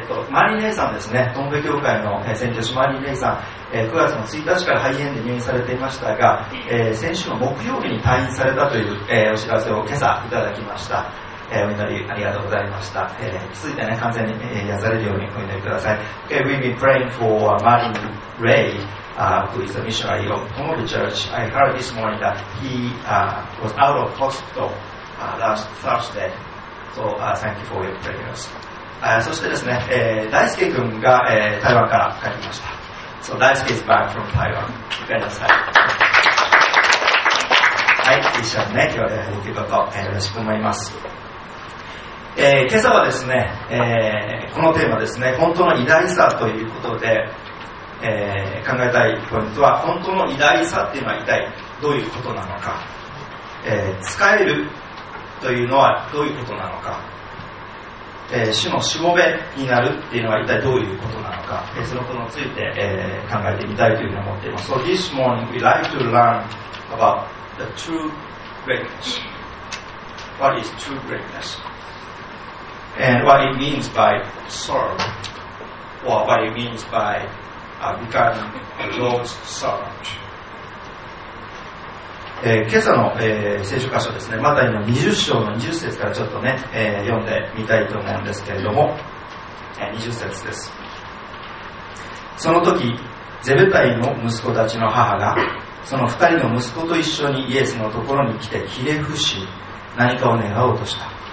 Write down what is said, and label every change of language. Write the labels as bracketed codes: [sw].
[ja] マリネさんですね、トンベ教会の宣教師マリネさん、9月の1日から肺炎で入院されていましたが、先週の木曜日に退院されたという、お知らせを今朝いただきました。お祈りありがとうございました。続いてね、完全に癒されるようにお祈りください。 [en] We've been praying for Martin Ray、who is a missionary of Tomobi Church. I heard this morning that he、was out of hospital、last Thursday. So, thank you for your prayers. [ja] そしてですね、大輔くんが、台湾から帰りました。 [en] So, 大輔 is back from Taiwan. [ja] ごめんなさい。はい、一緒にね、今日はやるということ、よろしく思います。今朝はですね、このテーマですね、本当の偉大さということで、考えたいポイントは、本当の偉大さっていうのは一体どういうことなのか。使えるというのはどういうことなのか、主のしもべになるっていうのは一体どういうことなのか、そのことについて、考えてみたいというふうに思っています。 [en] So this morning we like to learn about the true greatness. What is true greatness? And what it means by sorrow, or what it means by becoming a Lord's servant. [ja] 今朝の、聖書箇所ですね、マタイの20章の20節からちょっとね、読んでみたいと思うんですけれども、20節です。その時ゼブタイの息子たちの母がその2人の息子と一緒にイエスのところに来てひれ伏し何かを願おうとした。